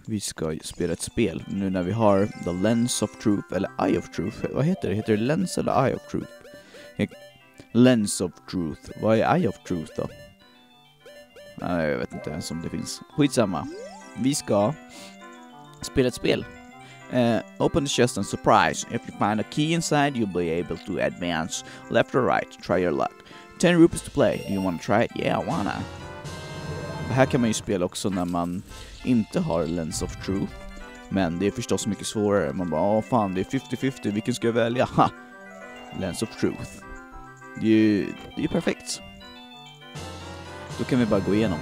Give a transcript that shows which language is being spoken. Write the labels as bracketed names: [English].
[Swedish] Vi ska spela ett spel nu när vi har The Lens of Truth, eller Eye of Truth. Vad heter det? Heter det Lens eller Eye of Truth? Lens of Truth. Vad är Eye of Truth då? Nej, jag vet inte ens om det finns. Skitsamma. Vi ska spela ett spel. [English] Open the chest and surprise. If you find a key inside, you'll be able to advance left or right. Try your luck. 10 rupees to play. Do you want to try it? Yeah, I wanna. [Swedish] Det här kan man ju spela också när man inte har Lens of Truth. Men det är förstås mycket svårare. Man bara, åh fan, det är 50-50. Vilken ska jag välja? Ha! Lens of Truth. Det är ju perfekt. Då kan vi bara gå igenom.